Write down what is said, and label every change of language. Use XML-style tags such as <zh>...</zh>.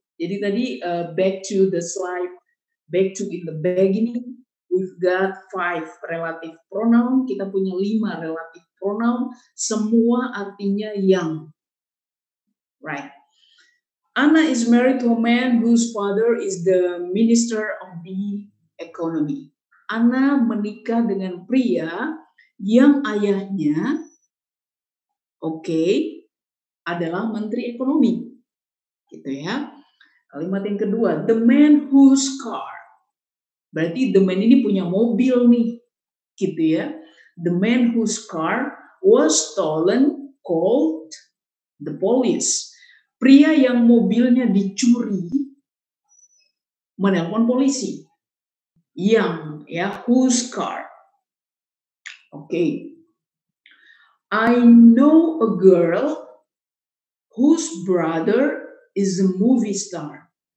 <id>Jadi tadi</id> <en>back to the slide, back to in the beginning, we've got 5 relative pronoun.</en> <id>Kita punya 5 relative pronoun, semua artinya yang. Right.</id> <en>Anna is married to a man whose father is the minister of the economy.</en> <id>Anna menikah dengan pria yang ayahnya, okay, adalah menteri ekonomi. Gitu ya. Kalimat yang kedua,</id> <en>the man whose car.</en> <id>Berarti</id> <en>the man</en> <id>ini punya mobil nih. Gitu ya.</id> <en>The man whose car was stolen called the police.</en> <id>Pria yang mobilnya dicuri menelpon polisi. Yang, ya,</id> <en>whose car.</en> <id>Oke.</id> <en>Okay. I know a girl whose brother is a movie star.</en>